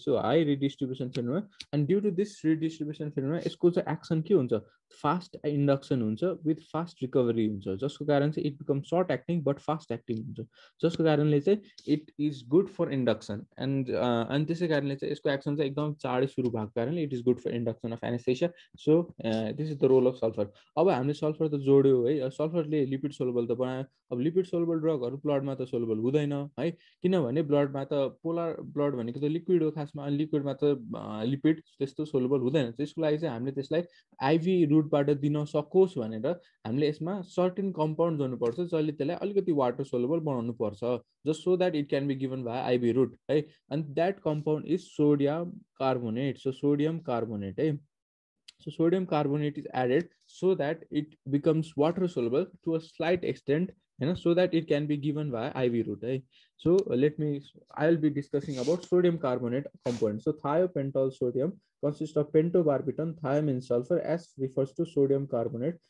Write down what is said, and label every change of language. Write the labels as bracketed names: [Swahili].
[English] So high redistribution phenomena, and due to this redistribution phenomena, it's called action [Nepali] ki huncha, [English] fast induction [Nepali] huncha [English] with fast recovery huncha, just currently it becomes short acting but fast acting huncha, just currently it is good for induction, and this currently its action [Nepali] cha ekdam chaadi shuru bhak [English] currently it is good for induction of anesthesia. So this is the role of sulfur. [Nepali] Aba hamle sulfur ta jodyo hai, sulfur le lipid soluble ta banayo. Aba lipid soluble drug haru blood ma ta soluble hudaina, hai kina bhane blood ma ta polar blood भनेको त liquid हो, खासमा लिक्विडमा त lipid त्यस्तो soluble हुँदैन. त्यसको लागि चाहिँ हामीले त्यसलाई आइभी रुटबाट दिन सकोस् भनेर हामीले यसमा सर्टिन कम्पाउन्ड गर्नुपर्छ जसले त्यसलाई अलिकति वाटर सोलुबल बनाउनु पर्छ, [English] just so that it can be given by IV route, [Nepali] है. [English] And that compound is sodium carbonate. So sodium carbonate, [Nepali] है. [English] So sodium carbonate is added so that it becomes water soluble to a slight extent, you know, so that it can be given via IV route, right? So I'll be discussing about sodium carbonate component. So thiopental sodium consists of pentobarbital, thio means sulfur, S refers to sodium carbonate.